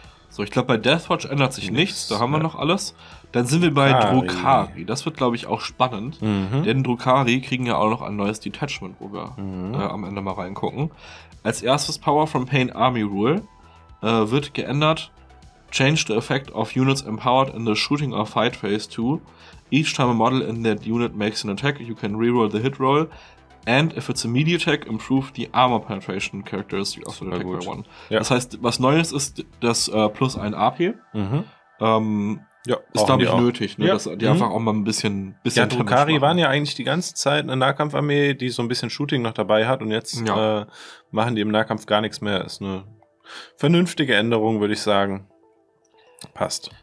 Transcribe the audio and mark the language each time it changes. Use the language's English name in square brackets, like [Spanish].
[German] So, ich glaube, bei Deathwatch ändert sich nichts. Da haben wir noch alles. Dann sind wir bei Drukhari. Das wird, glaube ich, auch spannend. Mhm. Denn Drukhari kriegen ja auch noch ein neues Detachment, wo wir am Ende mal reingucken. Als erstes Power from Pain Army Rule wird geändert. [English] Change the effect of units empowered in the shooting or fight phase to each time a model in that unit makes an attack, you can reroll the hit roll. And if it's a melee attack, improve the armor penetration characteristic of the attack by one. [German] Ja. Das heißt, was Neues ist, das plus ein AP. Mhm. Ist, glaube ich, nötig, dass die einfach auch mal ein bisschen Damage machen. Drukhari waren ja eigentlich die ganze Zeit eine Nahkampfarmee, die so ein bisschen Shooting noch dabei hat und jetzt machen die im Nahkampf gar nichts mehr. Ist eine vernünftige Änderung, würde ich sagen. Passt.